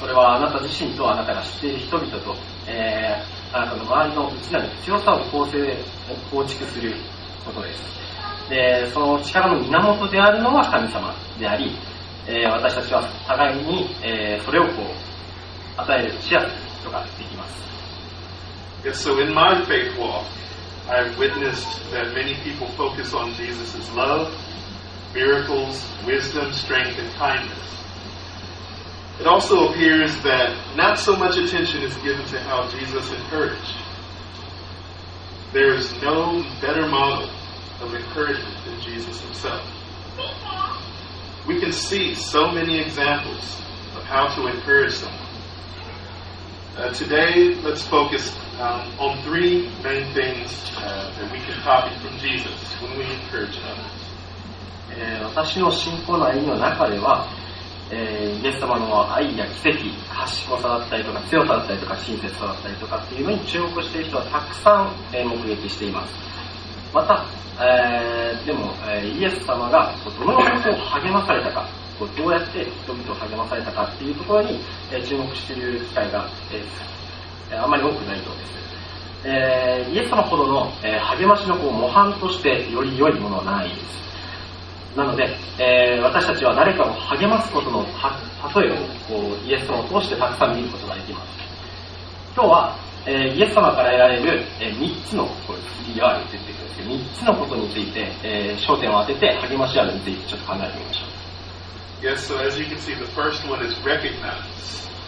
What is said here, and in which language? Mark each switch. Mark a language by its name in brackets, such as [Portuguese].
[Japanese] それはあなた自身とあなたが知っている人々と、あなたの周りの内なる強さを構成を構築することです。でその力の源であるのは神様であり、私たちは互いに、それをこう与えるシェアすることができます。 [English] Yes, so in my faith walk, I've witnessed that many people focus on Jesus' love, miracles, wisdom, strength, and kindness. It also appears that not so much attention is given to how Jesus encouraged. There is no better model of encouragement than Jesus himself. We can see so many examples of how to encourage someone. Today, let's focus on three main things that we can copy from Jesus when we encourage others. [Japanese] 私の信仰の歩みの中では、イエス様の愛や奇跡、賢さだったりとか強さだったりとか親切さだったりとかっていうのに注目している人はたくさん、目撃しています。また、イエス様がどのようなことを励まされたか、どうやって人々を励まされたかっていうところに注目している機会があまり多くないようです。イエス様ほどの励ましの模範としてより良いものはないです。なので私たちは誰かを励ますことの例えをこうイエス様を通してたくさん見ることができます。今日はイエス様から得られる3つのこれ次は言ってくるんですけど、3つのことについて焦点を当てて励ましあるについてちょっと考えてみましょう。 [English] Yes, so as you can see, the first one is recognize.